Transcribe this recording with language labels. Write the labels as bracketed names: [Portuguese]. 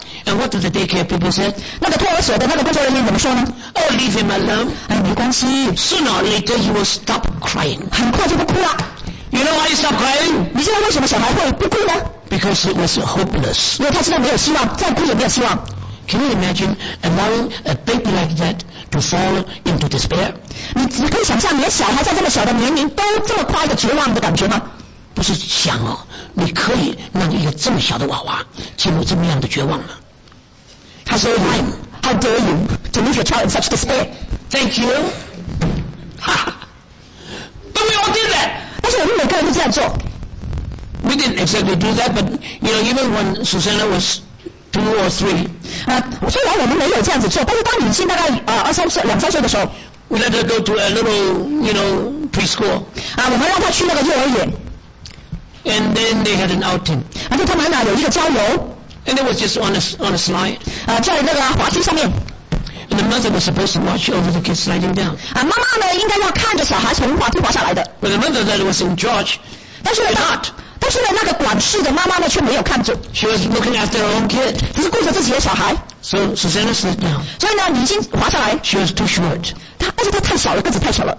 [English] And what do the daycare people say? [Chinese] 那个托儿所的那个工作人员怎么说呢 [English] ？Oh, leave him alone. [Chinese] 哎，没关系。 [English] Sooner or later, he will stop crying. [Chinese] 很快就不哭了。 [English] You know why he stop crying? [Chinese] 你知道为什么小孩会不哭呢 [English] ？Because it was hopeless. [Chinese] 因为他知道没有希望，再哭也没有希望。 [English] Can you imagine allowing a baby like that to fall into despair? [Chinese] 你只可以想象你的小孩在这么小的年龄都这么快的绝望的感觉吗？不是想哦，你可以让一个这么小的娃娃进入这么样的绝望吗？他说 ， [English] Why? How dare you to leave your child in such despair? Thank you. But we all did that. [Chinese] 但是我们每个人都这样做。 [English] We didn't exactly do that, but you know, even when Susanna was two or three. [Chinese] 虽然我们没有这样子做，但是当女性大概二三岁、两三岁的时候 [English] ，We let her go to a little, you know, preschool. [Chinese] 我们让她去那个幼儿园。 [English] And then they had an outing. [Chinese] 然后他们有一个郊游。 [English] And it was just on a slide. [Chinese] 在那个滑梯上面。 [English] And the mother was supposed to watch over the kids sliding down. [Chinese] 妈妈呢应该要看着小孩从滑梯滑下来的。 [English] But the mother that was in charge. [Chinese] 但是呢。但是呢，那个管事的妈妈呢，却没有看准。 [English] She was looking after her own kid. [Chinese] 只是顾着自己的小孩。 [English] So Susanna slid down. [Chinese] 所以呢，已经滑下来。 [English] She was too short. [Chinese] 她太小了，个子太小了。